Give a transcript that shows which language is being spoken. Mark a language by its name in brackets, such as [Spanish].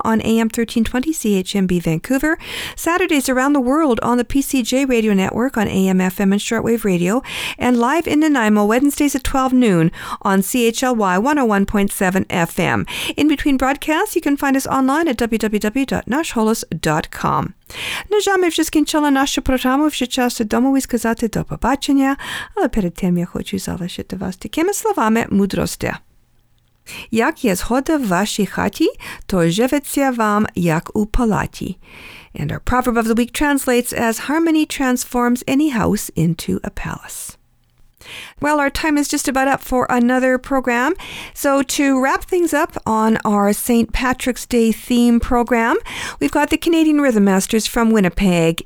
[English] on AM 1320 CHMB Vancouver, Saturdays around the world on the PCJ Radio Network on AM, FM, and shortwave radio, and live in Nanaimo Wednesdays at 12 noon on CHLY 101.7 FM. In between broadcasts, you can find us online at www.nashholos.com. [Ukrainian] На жаль, ми вже скінчили нашу програму, вже час дому і сказати до побачення, але перед тим я хочу залишити вас такими словами мудрості. Як є згода в вашій хаті, то живеться вам, як у палаті. [English] And our proverb of the week translates as harmony transforms any house into a palace. Well, our time is just about up for another program. So to wrap things up on our St. Patrick's Day theme program, we've got the Canadian Rhythm Masters from Winnipeg.